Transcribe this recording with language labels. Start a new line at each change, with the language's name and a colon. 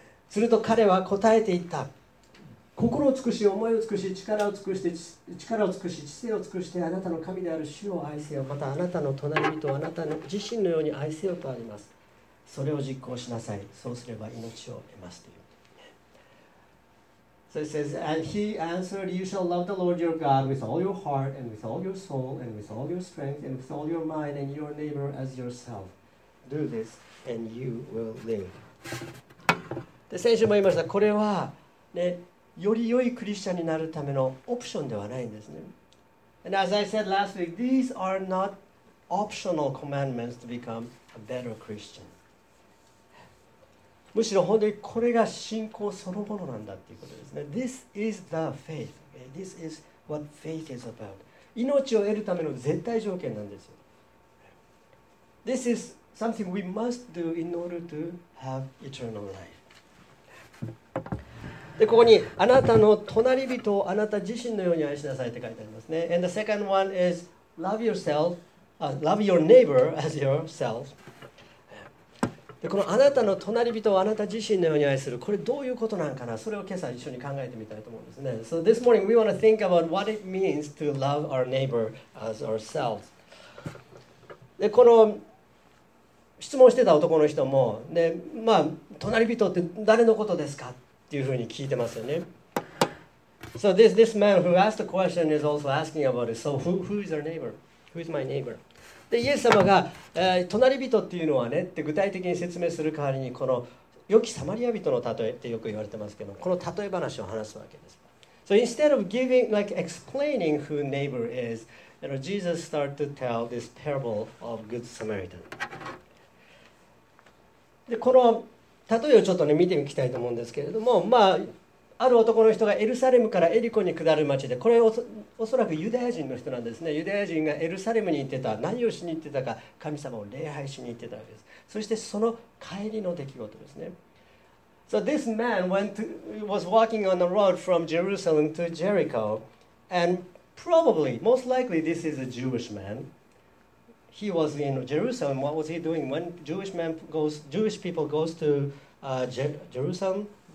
Japanese: すると彼は答えていった。心を尽くし、思いを尽くし、力を尽くして、力を尽くし、知性を尽くして、あなたの神である主を愛せよ。またあなたの隣人をあなたの自身のように愛せよとあります。それを実行しなさい。そうすれば命を得ますという。
English: So it says, and he answered, You shall love the Lord your God with all your heart and with all your soul and with all your strength and with all your mind and your neighbor as yourself. Do this and you will live.
Japanese: で、先週も言いました。これは、ね、より良いクリスチャンになるためのオプションではないんですね。
English: And as I said last week, these are not optional commandments to become a better Christian.
Japanese: むしろ本当にこれが信仰そのものなんだということですね。
English: This is the faith. This is what faith is about.
Japanese: 命を得るための絶対条件なんですよ。
English: This is something we must do in order to have eternal life.
Japanese: で、ここにあなたの隣人をあなた自身のように愛しなさいって書いてありますね。
English: And the second one is love yourself, love your neighbor as yourself.
Japanese: で、このあなたの隣人をあなた自身のように愛する、これどういうことなんかな、それを今朝一緒に考えてみたいと思うんですね。
English: So this morning we want to think about what it means to love our neighbor as ourselves.
Japanese: で、この質問してた男の人も、で、まあ、隣人って誰のことですかっていうふうに聞いてますよね。
English: So this man who asked the question is also asking about it. So who is our neighbor? Who is my neighbor?
Japanese: で、イエス様が、隣人っていうのはねって具体的に説明する代わりに、この良きサマリア人の例えってよく言われてますけど、この例え話を話すわけです。
English: So instead of giving, like explaining who neighbor is, you know, Jesus started to tell this parable of good Samaritan.
Japanese: で、この例えをちょっとね見ていきたいと思うんですけれども、まあ、ある男の人がエルサレムからエリコに下る町で、これおそらくユダヤ人の人なんですね。ユダヤ人がエルサレムに行ってた、何をしに行ってたか、神様を礼拝しに行ってたわけです。そしてその帰りの出来事ですね。
English: So this man was walking on the road from Jerusalem to Jericho, and probably, most likely, this is a Jewish man. He was in Jerusalem. What was he doing? When Jewish people goes to Jerusalem?